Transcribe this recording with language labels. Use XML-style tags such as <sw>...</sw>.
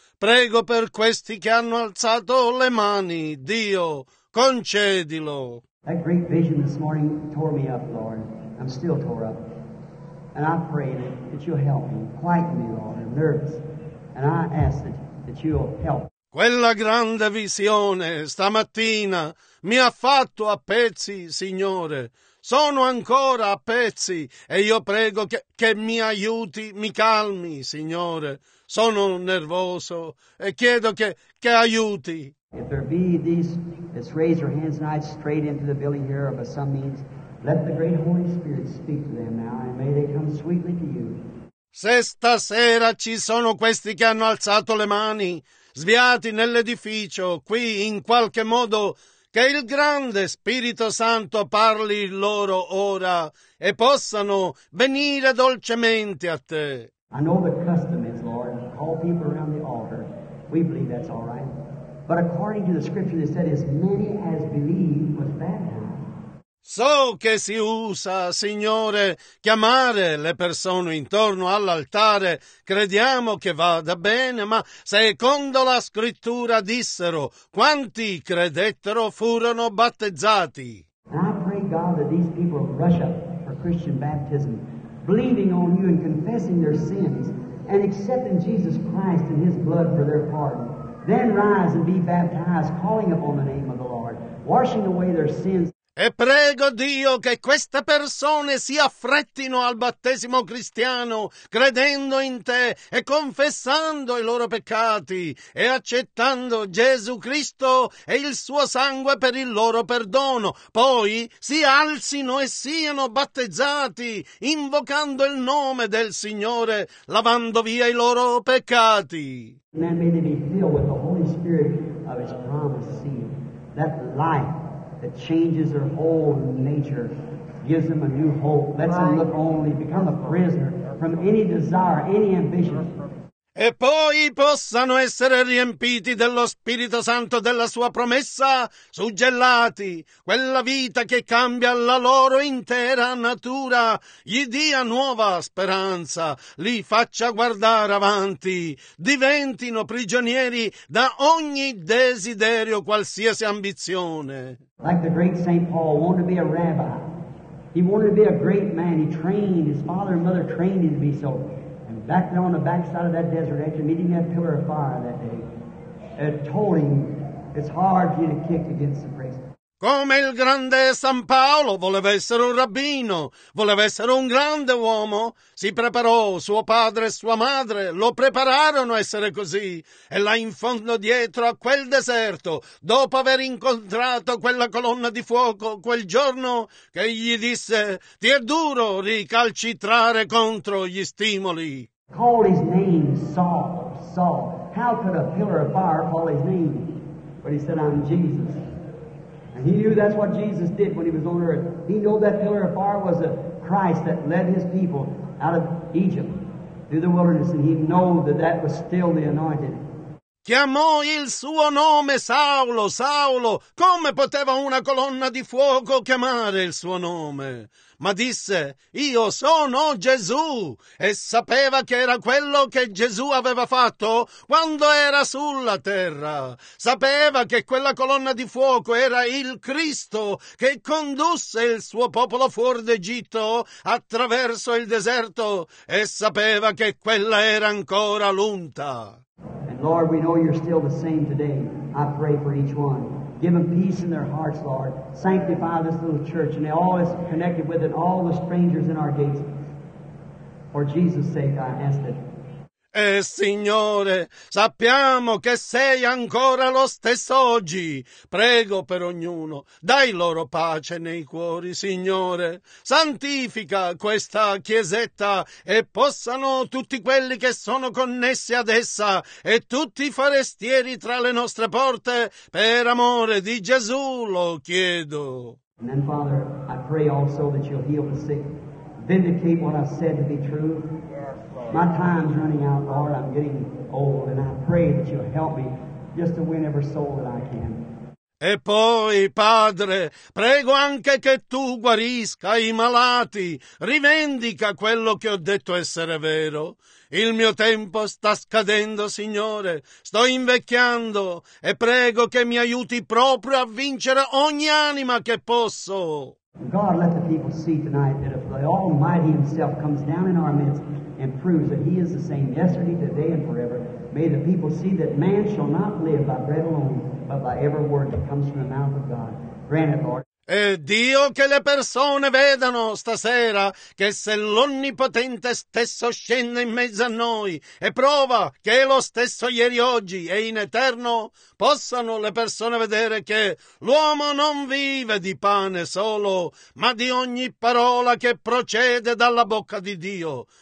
<it>Prego per questi che hanno alzato le mani, Dio, concedilo.</it> <en>That great vision this morning tore me up, Lord. I'm still tore up. And I pray that you'll help me, quieten me, Lord. I'm nervous. And I ask that you'll help.</en> <it>Quella grande visione stamattina mi ha fatto a pezzi, Signore. Sono ancora a pezzi e io prego che mi aiuti, mi calmi, Signore. Sono nervoso e chiedo che aiuti.</it> <en>If there be these that raise their hands tonight straight into the building here or by some means, let the great Holy Spirit speak to them now and may they come sweetly to you.</en> <it>Se stasera ci sono questi che hanno alzato le mani, sviati nell'edificio, qui in qualche modo, che il grande Spirito Santo parli loro ora e possano venire dolcemente a te.</it> <en>I know the custom is, Lord, call people around the altar. We believe that's all right. But according to the scripture, they said as many as believed was baptized.</en> <it>So che si usa, Signore, chiamare le persone intorno all'altare, crediamo che vada bene, ma secondo la scrittura dissero, quanti credettero furono battezzati.</it> <en>And I pray God that these people rush up for Christian baptism, believing on you and confessing their sins, and accepting Jesus Christ and his blood for their pardon. Then rise and be baptized, calling upon the name of the Lord, washing away their sins.</en> <it>E prego Dio che queste persone si affrettino al battesimo cristiano, credendo in te e confessando i loro peccati e accettando Gesù Cristo e il suo sangue per il loro perdono. Poi si alzino e siano battezzati, invocando il nome del Signore, lavando via i loro peccati. Amen.</it> <en>May they be filled with the Holy Spirit of His promised seed, that life that changes their whole nature, gives them a new hope, lets them look only, become a prisoner from any desire, any ambition.</en> <it>E poi possano essere riempiti dello Spirito Santo della sua promessa, suggellati, quella vita che cambia la loro intera natura, gli dia nuova speranza, li faccia guardare avanti, diventino prigionieri da ogni desiderio, qualsiasi ambizione.</it> <en>Like the great Saint Paul wanted to be a rabbi. He wanted to be a great man. He trained, his father and mother trained him to be so. Back there on the backside of that desert, after meeting that pillar of fire that day, it told him it's hard for you to kick against the grace.</en> <it>Come il grande San Paolo voleva essere un rabbino, voleva essere un grande uomo. Si preparò, suo padre e sua madre lo prepararono a essere così. E là in fondo dietro a quel deserto, dopo aver incontrato quella colonna di fuoco, quel giorno che gli disse, ti è duro ricalcitrare contro gli stimoli.</it> <en>Call his name Saul, Saul. How could a pillar of fire call his name? But he said, I'm Jesus. And he knew that's what Jesus did when he was on earth. He knew that pillar of fire was a Christ that led his people out of Egypt through the wilderness, and he knew that that was still the anointed.</en> <it>Chiamò il suo nome Saulo, Saulo. Come poteva una colonna di fuoco chiamare il suo nome? Ma disse, io sono Gesù. E sapeva che era quello che Gesù aveva fatto quando era sulla terra. Sapeva che quella colonna di fuoco era il Cristo che condusse il suo popolo fuori d'Egitto attraverso il deserto. E sapeva che quella era ancora l'unta.</it> <en>Lord, we know you're still the same today. I pray for each one. Give them peace in their hearts, Lord. Sanctify this little church and all that's connected with it, all the strangers in our gates. For Jesus' sake, I ask that</en> <it>Signore, sappiamo che sei ancora lo stesso oggi. Prego per ognuno, dai loro pace nei cuori, Signore. Santifica questa chiesetta e possano tutti quelli che sono connessi ad essa e tutti i forestieri tra le nostre porte, per amore di Gesù, lo chiedo.</it> <en>And then, Father, I pray also that you'll heal the sick. Vindicate what I said to be true. Yes, Lord. My time's running out, Lord. I'm getting old, and I pray that you'll help me just to win every soul that I can.</en> <it>E poi, Padre, prego anche che tu guarisca i malati. Rivendica quello che ho detto essere vero. Il mio tempo sta scadendo, Signore. Sto invecchiando e prego che mi aiuti proprio a vincere ogni anima che posso.</it> <en>God, let the people see tonight that if the Almighty Himself comes down in our midst and proves that He is the same yesterday, today, and forever, may the people see that man shall not live by bread alone, but by every word that comes from the mouth of God. Grant it, Lord.</en> <it>E Dio, che le persone vedano stasera che se l'Onnipotente stesso scende in mezzo a noi e prova che è lo stesso ieri, oggi e in eterno, possano le persone vedere che l'uomo non vive di pane solo, ma di ogni parola che procede dalla bocca di Dio.</it>